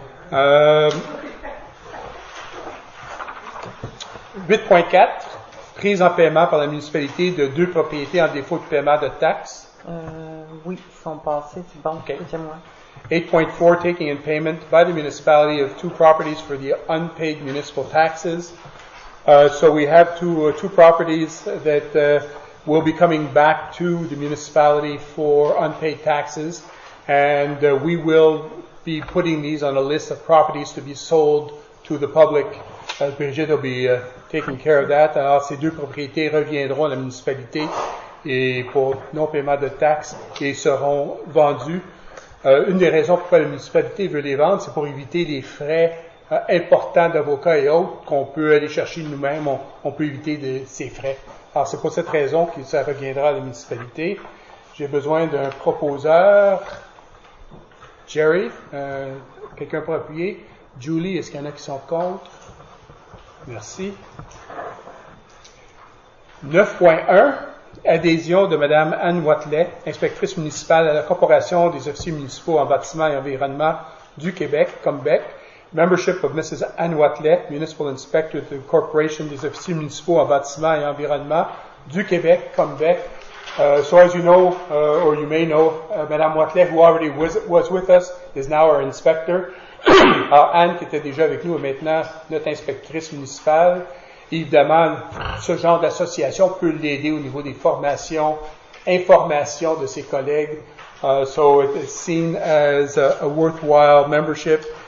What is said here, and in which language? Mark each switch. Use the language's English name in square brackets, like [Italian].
[French] Um, 8.4, prise en paiement par la municipalité de deux propriétés en défaut de paiement de taxes. Oui, ils sont passés, c'est bon. Okay. [English] 8.4, taking in payment by the municipality of two properties for the unpaid municipal taxes. So we have two properties that will be coming back to the municipality for unpaid taxes, and we will be putting these on a list of properties to be sold to the public. Brigitte will be taking care of that. [French] Alors, ces deux propriétés reviendront à la municipalité et pour non-paiement de taxes et seront vendues. Une des raisons pourquoi la municipalité veut les vendre, c'est pour éviter les frais importants d'avocats et autres qu'on peut aller chercher nous-mêmes. On peut éviter ces frais. Alors, c'est pour cette raison que ça reviendra à la municipalité. J'ai besoin d'un proposeur. Jerry, quelqu'un pour appuyer? Julie, est-ce qu'il y en a qui sont contre? Merci. 9.1, adhésion de Mme Anne Watelet, inspectrice municipale à la Corporation des officiers municipaux en bâtiment et environnement du Québec, Combec. [English] Membership of Mrs. Anne Watelet, Municipal Inspector of the Corporation des officiers municipaux en bâtiment et environnement du Québec, Combec. So as you know, or you may know, Madame Watelet, who already was with us, is now our inspector. [French] Anne, qui était déjà avec nous, est maintenant notre inspectrice municipale. Évidemment, ce genre d'association peut l'aider au niveau des formations, informations de ses collègues. [English] So it is seen as a worthwhile membership.